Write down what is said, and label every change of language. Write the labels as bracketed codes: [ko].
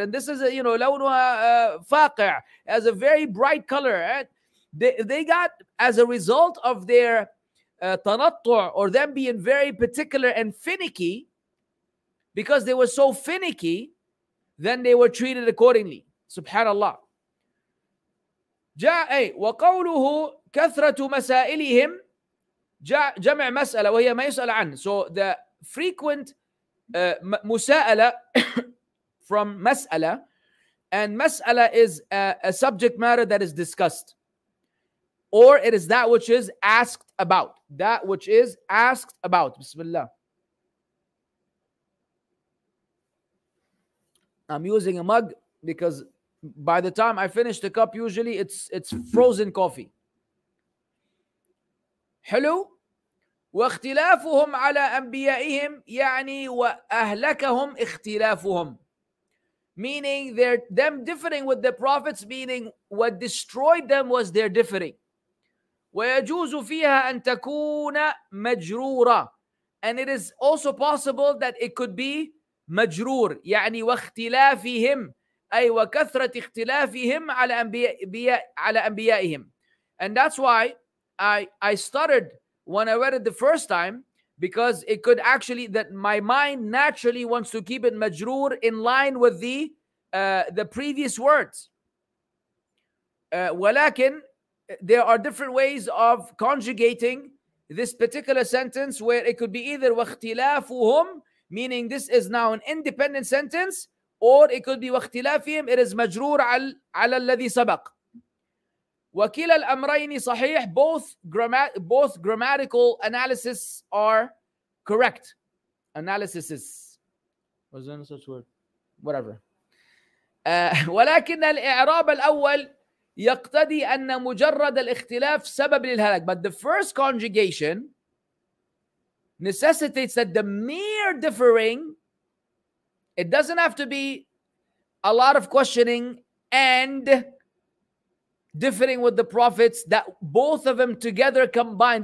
[en] And this is, a, you know, [ar] لونها فاقع, [en] has a very bright color. And they got, as a result of their تنطع, or them being very particular and finicky, because they were so finicky, then they were treated accordingly. Subhanallah. [ar] جاء أي وقوله كثرة مسائلهم جمع مسألة وهي ما يسأل عن. [en] So the frequent مسألة from مسألة, and مسألة is a subject matter that is discussed, or it is that which is asked about. That which is asked about. [ar] بسم الله. [en] I'm using a mug because by the time I finish the cup, usually it's frozen coffee. [ar] حلو. واختلافهم على أنبيائهم يعني وأهلكهم اختلافهم. [en] Meaning them differing with the prophets, meaning what destroyed them was their differing. [ar] ويجوز فيها أن تكون مجرورة. [en] And it is also possible that it could be مجرور. [ar] يعني واختلافهم أي وكثرة اختلافهم على أنبيائهم. [en] And that's why I stuttered when I read it the first time, because it could actually, that my mind naturally wants to keep it majroor in line with the previous words. ولكن there are different ways of conjugating this particular sentence where it could be either واختلافهم, meaning this is now an independent sentence, or it could be واختلافهم, it is majroor [ar] على الذي سبق. وكلا الأمرين صحيح. [en] Both grammatical analysis are correct. Analysis is, was there such word? Whatever. [ar] ولكن الإعراب الأول يقتضي أن مجرد الاختلاف سبب للهلاك. [en] But the first conjugation necessitates that the mere differing, it doesn't have to be a lot of questioning and differing with the prophets, that both of them together combined.